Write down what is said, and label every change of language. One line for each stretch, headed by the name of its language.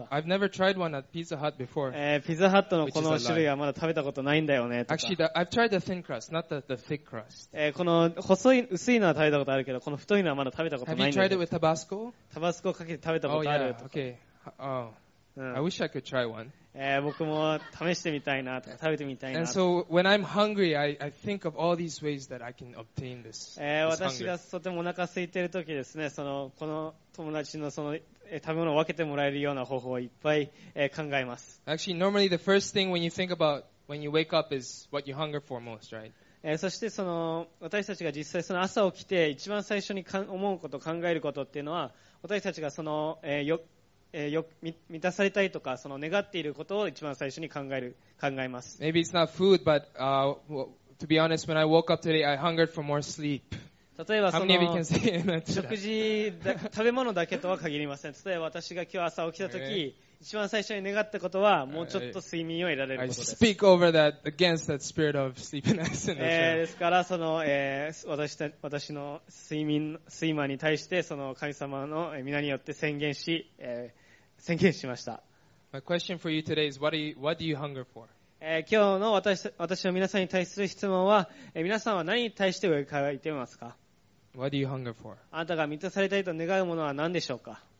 English: I've never tried one at Pizza Hut before.
Japanese: ピザハットのこの種類はまだ食べたことないんだよね。
English: Actually, I've tried the thin crust, not the thick crust.
Japanese: この細い、薄いのは食べたことあるけど、この太いのはまだ食べたことないんだよ。
English: Have you tried it with Tabasco?
Japanese: タバスコかけて食べたことあるとか。
English: Oh, yeah. Okay. Oh. I wish I could try one.
Japanese: 僕も試してみたいなとか食べてみたいな。
English: And so when I'm hungry, I think of all these ways that I can obtain this.
Japanese: 私がとてもお腹空いてる時ですね、そのこの友達のその食べ物を分けてもらえるような方法をいっぱい考えます。
English: Actually, normally the first thing when you think about when you wake up is what you hunger for most, right?
Japanese: そしてその私たちが実際その朝起きて一番最初に思うこと考えることっていうのは私たちがその満たされたいとかその願っていることを一番最初に考えます。
English: Maybe it's not food, but to be honest, when I woke up today, I hungered for more sleep.
Japanese: 例えばその食事食べ物だけとは限りません。例えば私が今日朝起きた時、一番最初に願ったことはもうちょっと睡眠を得られることです。
English: I speak over that against that spirit of sleepiness in this room.
Japanese: ですからその私の睡魔に対してその神様の皆によって宣言しました。
English: My question for you today is what do you hunger for?
Japanese: 今日の私の皆さんに対する質問は、皆さんは何に対して飢え渇いていますか？
English: What do you hunger for?
Japanese: あなたが満たされたいと願うものは何でしょうか？